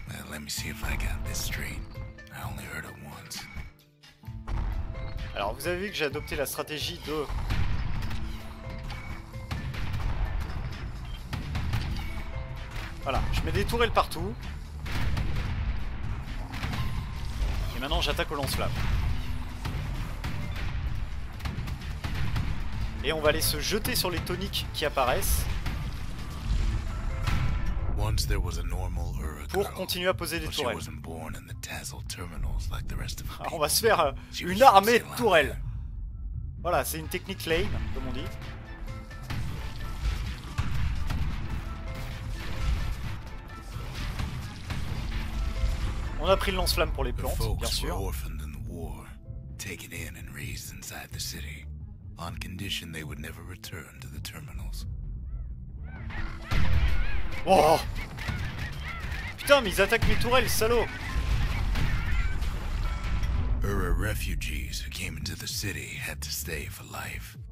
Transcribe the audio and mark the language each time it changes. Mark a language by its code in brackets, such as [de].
[en] Let me see if I got this straight. I only heard it once. [fr] Alors, vous avez vu que j'ai adopté la stratégie de... Voilà, je mets des tourelles partout. Et maintenant, j'attaque au lance-flamme. Et on va aller se jeter sur les toniques qui apparaissent. [en] Once there was a normal Ura [fr] pour continuer à poser des tourelles. [en] She wasn't born in the Tazzle terminals like the rest of the people. [fr] On va se faire une armée de tourelles. Voilà, c'est une technique lame, comme on dit. On a pris le lance-flamme pour les plantes, bien sûr. [en] Taken in and raised inside the city, on condition they would never return to the terminals. [fr] Oh! Putain, mais ils attaquent mes tourelles, salaud! [en] Ura refugees who came into the city had to stay for life.